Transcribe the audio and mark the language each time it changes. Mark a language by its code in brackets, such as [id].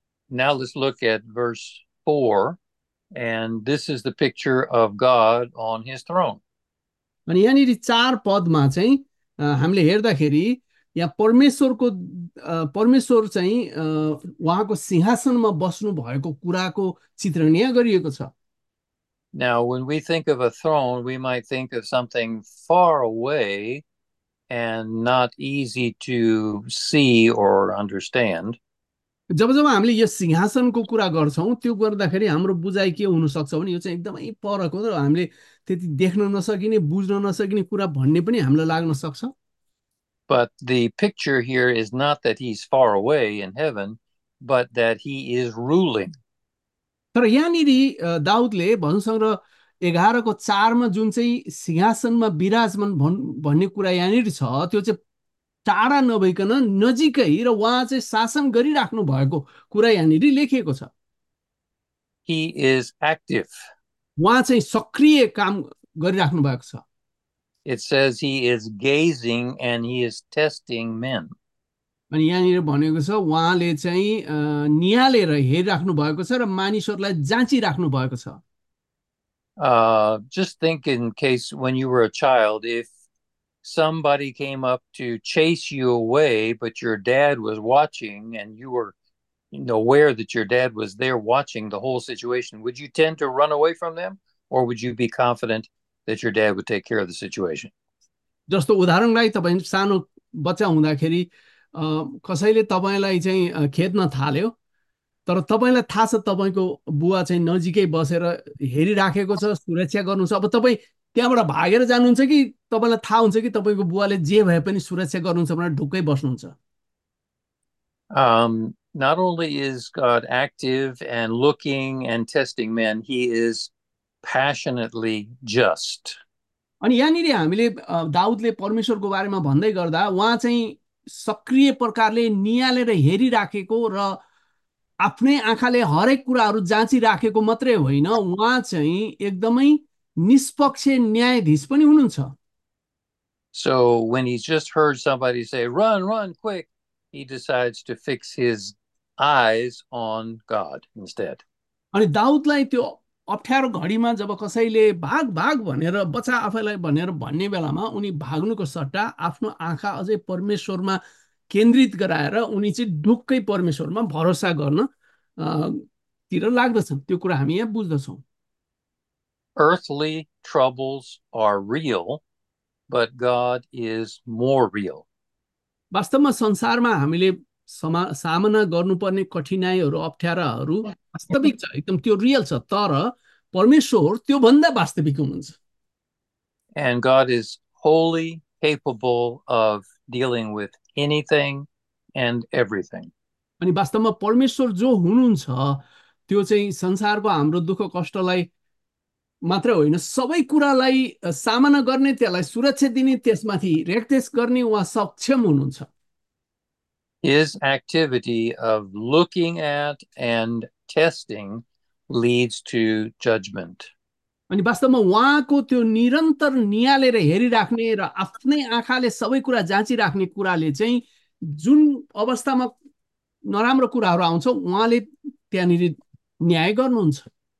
[en] Now let's look at verse 4, and this is the picture of God on his throne. [ne] अनि यहाँनिर 4 चाहिँ हामीले हेर्दाखेरि यहाँ परमेश्वरको परमेश्वर चाहिँ उहाँको सिंहासनमा बस्नु भएको कुराको चित्रण यहाँ गरिएको छ। [en] Now, when we think of a throne, we might think of something far away and not easy to see or understand. [ne] जब जब हामीले यो सिंहासनको कुरा गर्छौँ त्यो गर्दाखेरि हाम्रो बुझाइ के हुनसक्छ भने यो चाहिँ एकदमै परको र हामीले त्यति देख्न नसकिने, बुझ्न नसकिने कुरा भन्ने पनि हामीलाई लाग्न सक्छ। [en] But the picture here is not that he's far away in heaven, but that he is ruling. [ne] तर यहाँनिर दाउदले भजन सङ्ग्रह 11:4 जुन चाहिँ सिंहासनमा विराजमान भन्ने कुरा यहाँनिर छ त्यो चाहिँ टाढा नभइकन नजिकै र उहाँ चाहिँ शासन गरिराख्नु भएको कुरा यहाँनिर लेखिएको छ। [en] He is active. [ne] उहाँ चाहिँ सक्रिय काम गरिराख्नु भएको छ। [en] It says he is gazing and he is testing men. [ne] अनि यहाँनिर भनेको छ उहाँले चाहिँ निहालेर हेरिराख्नु भएको छ र मानिसहरूलाई जाँचिराख्नु भएको छ। [en] Just think in case when you were a child, if somebody came up to chase you away, but your dad was watching and you were aware that your dad was there watching the whole situation, would you tend to run away from them, or would you be confident that your dad would take care of the situation? [ne] जस्तो उदाहरणलाई तपाईँ सानो बच्चा हुँदाखेरि कसैले तपाईँलाई चाहिँ खेद्न थाल्यो, तर तपाईँलाई थाहा छ तपाईँको बुवा चाहिँ नजिकै बसेर हेरिराखेको छ, सुरक्षा गर्नुहुन्छ। अब तपाईँ त्यहाँबाट भागेर जानुहुन्छ कि तपाईँलाई थाहा हुन्छ कि तपाईँको बुवाले जे भए पनि सुरक्षा गर्नुहुन्छ भनेर ढुक्कै बस्नुहुन्छ? [en] Not only is God active and looking and testing men, he is passionately just. [ne] अनि यहाँनिर हामीले दाउदले परमेश्वरको बारेमा भन्दै गर्दा उहाँ चाहिँ सक्रिय प्रकारले नियालेर हेरिराखेको र आफ्नै आँखाले हरेक कुराहरू जाँचिराखेको मात्रै होइन, उहाँ चाहिँ एकदमै निष्पक्ष न्यायाधीश पनि हुनुहुन्छ। [en] So when he's just heard somebody say, run, run, quick, he decides to fix his eyes on God instead. [ne] अनि दाउदलाई त्यो अप्ठ्यारो घडीमा जब कसैले भाग भाग भनेर बच्चा आफैलाई भनेर भन्ने बेलामा उनी भाग्नुको सट्टा आफ्नो आँखा अझै परमेश्वरमा केन्द्रित गराएर उनी चाहिँ ढुक्कै परमेश्वरमा भरोसा गर्न तिर लाग्दछन्। त्यो कुरा हामी यहाँ बुझ्दछौँ। [en] Earthly troubles are real, but God is more real. [ne] वास्तवमा संसारमा हामीले सामना गर्नुपर्ने कठिनाइहरू अप्ठ्याराहरू वास्तविक छ, एकदम त्यो रियल छ, तर परमेश्वर त्यो भन्दा वास्तविक हुनुहुन्छ। [en] And God is wholly capable of dealing with anything and everything. [ne] अनि वास्तवमा परमेश्वर जो हुनुहुन्छ त्यो चाहिँ संसारको हाम्रो दुःख कष्टलाई मात्रै होइन सबै कुरालाई सामना गर्ने, त्यसलाई सुरक्षा दिने, त्यसमाथि रेखदेश गर्ने उहाँ सक्षम हुनुहुन्छ। [en] His activity of looking at and testing leads to judgment. [ne] अनि वास्तवमा उहाँको त्यो निरन्तर नियालेर हेरिराख्ने र आफ्नै आँखाले सबै कुरा जाँचिराख्ने कुराले चाहिँ जुन अवस्थामा नराम्रो कुराहरू आउँछ उहाँले त्यहाँनिर न्याय गर्नुहुन्छ।